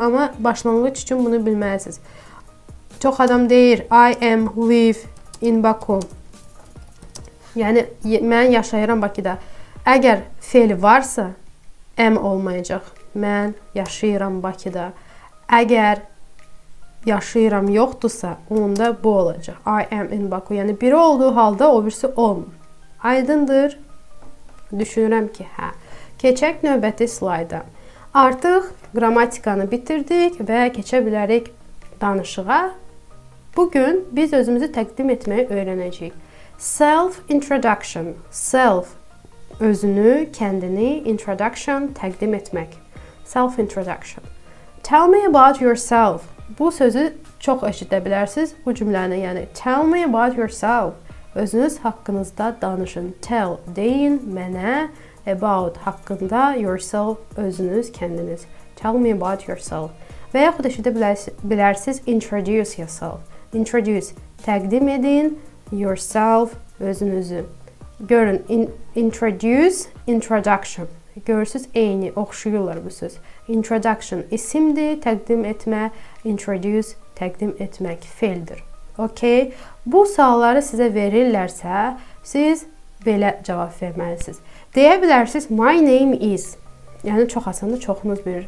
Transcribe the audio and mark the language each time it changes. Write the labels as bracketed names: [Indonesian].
[Azerbaijani] Amma başlanğıc üçün bunu bilməlisiniz. Çox adam deyir, [English] I am live in Baku. [Azerbaijani] Yəni, mən yaşayıram Bakıda. Əgər fail varsa, am olmayacaq. Mən yaşayıram Bakıda. Əgər yaşayıram yoxdursa, onda bu olacaq. [English] I am in Baku. [Azerbaijani] Yəni, biri olduğu halda, o birisi olmur. Aydındır. Düşünürəm ki, hə. Keçək növbəti slayda. Artıq qramatikanı bitirdik və keçə bilərik danışığa. Bugün biz özümüzü təqdim etməyi öyrənəcəyik. Self-introduction. Self, özünü, kəndini, introduction, təqdim etmək. Self-introduction. [English] Tell me about yourself. [Azerbaijani] Bu sözü çox eşidə bilərsiniz bu cümləni. [English] Yəni, tell me about yourself. [Azerbaijani] Özünüz haqqınızda danışın. Tell, deyin mənə about haqqında yourself, özünüz, kəndiniz. [English] Tell me about yourself. [Azerbaijani] Və yaxud eşidə bilərsiniz [English] introduce yourself. [Azerbaijani] Introduce, təqdim edin yourself, özünüzü. Görün, introduce, introduction. Görürsünüz, eyni, oxşuyurlar bu söz. Introduction, isimdir, təqdim etmə. Introduce, təqdim etmək, feildir. Okay? Bu sualları sizə verirlərsə, siz belə cavab verməlisiniz. Deyə bilərsiniz, [English] my name is. [Azerbaijani] Yəni, çox asandı, çoxunuz bilir.